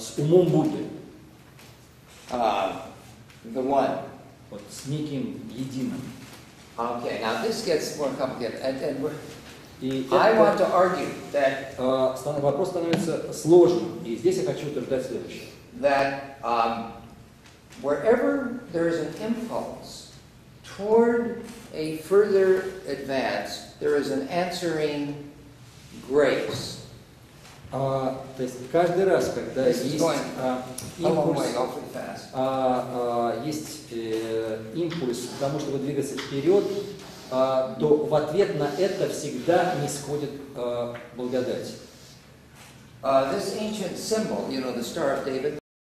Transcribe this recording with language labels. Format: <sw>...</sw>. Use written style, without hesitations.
<ru>С умом Будды.</ru> <en>The one.</en> <ru>Вот с неким единым.</ru> <en>Okay, now this gets more complicated. And we're... I want to argue that...</en> <ru>Вопрос становится сложным. И здесь я хочу утверждать следующее.</ru> <en>That wherever there is an impulse toward a further advance, there is an answering grace.</en> <ru>То есть каждый раз, когда есть импульс к тому, чтобы двигаться вперед, то в ответ на это всегда нисходит благодать.</ru>